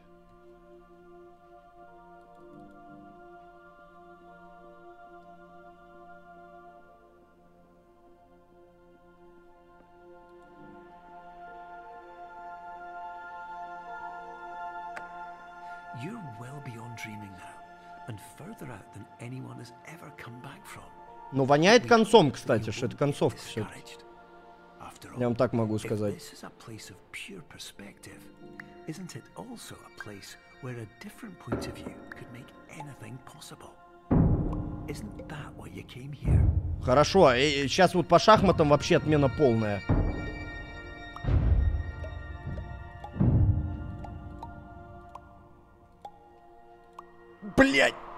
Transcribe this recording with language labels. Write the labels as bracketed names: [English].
[English] You're well beyond dreaming now, and further out than anyone has ever come back from. [Russian] Но воняет концом, кстати, что это концовка все. Я вам так могу сказать. [English] This is a place of pure perspective. Isn't it also a place where a different point of view could make anything possible? Isn't that why you came here? [Russian] Хорошо, сейчас вот по шахматам вообще отмена полная. Блять!